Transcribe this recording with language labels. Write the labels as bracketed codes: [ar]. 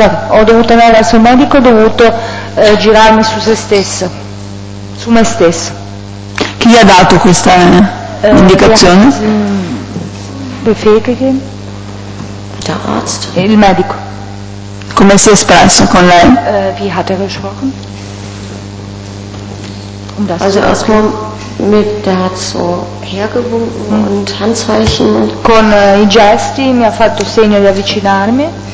[it] Ho dovuto girarmi su se stessa. Su me stessa. Chi gli ha dato questa indicazione? [de] Der Arzt. [it] Il medico. Come si è espresso con lei? [de] Wie hat gesprochen? Also erstmal mit der hat so hergewunken und Handzeichen. [it] Con i gesti mi ha fatto segno di avvicinarmi.